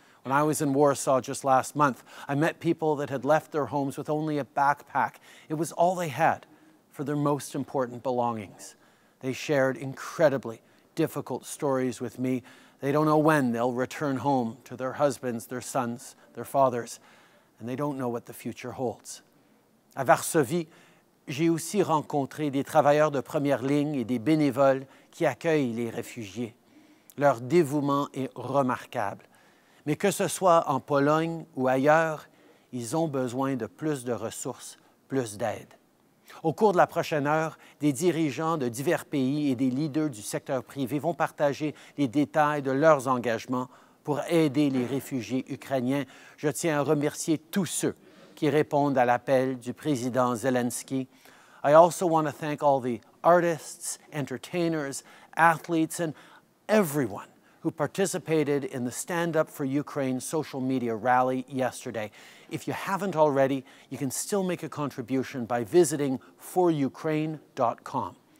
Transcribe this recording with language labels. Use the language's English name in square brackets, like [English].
[English] When I was in Warsaw just last month, I met people that had left their homes with only a backpack. It was all they had for their most important belongings. They shared incredibly difficult stories with me. They don't know when they'll return home to their husbands, their sons, their fathers, and they don't know what the future holds. [French] À Varsovie, j'ai aussi rencontré des travailleurs de première ligne et des bénévoles qui accueillent les réfugiés. Leur dévouement est remarquable. Mais que ce soit en Pologne ou ailleurs, ils ont besoin de plus de ressources, plus d'aide. Au cours de la prochaine heure, des dirigeants de divers pays et des leaders du secteur privé vont partager les détails de leurs engagements pour aider les réfugiés ukrainiens. Je tiens à remercier tous ceux qui répondent à l'appel du président Zelensky. [English] I also want to thank all the artists, entertainers, athletes, and everyone who participated in the Stand Up for Ukraine social media rally yesterday. If you haven't already, you can still make a contribution by visiting forukraine.com.